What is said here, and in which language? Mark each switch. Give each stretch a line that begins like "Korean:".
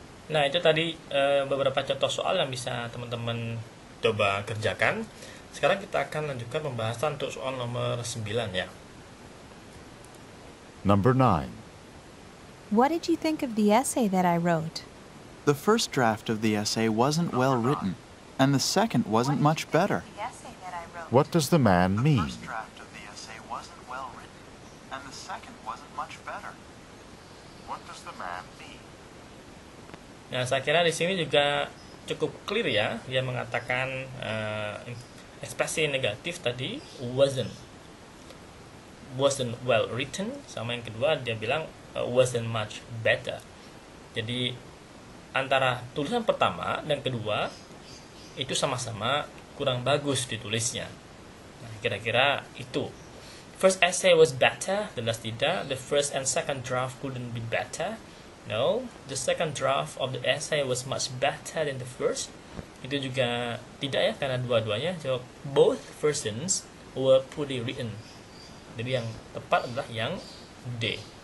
Indonesian: Nah, itu tadi beberapa contoh soal yang bisa teman-teman coba kerjakan. Sekarang kita akan lanjutkan pembahasan untuk soal nomor 9 ya.
English: Number 9. What did you think of the essay that I wrote? The first draft of the essay wasn't well written, and the second wasn't much better. What does the man mean? The first draft of the essay wasn't well written, and the second wasn't much better. What does the man mean?
Indonesian: Nah, saya kira di sini juga cukup clear ya, dia mengatakan ekspresi negatif tadi
English: wasn't well written,
Indonesian: sama yang kedua dia bilang
English: wasn't much better.
Indonesian: Jadi antara tulisan pertama dan kedua itu sama-sama kurang bagus ditulisnya. Nah, kira-kira itu.
English: First essay was better, the last
Indonesian: tidak.
English: The first and second draft couldn't be better. No, the second draft of the essay was much better than the first.
Indonesian: Itu juga tidak ya, karena dua-duanya.
English: So, both versions were poorly written.
Indonesian: Jadi yang tepat adalah yang D.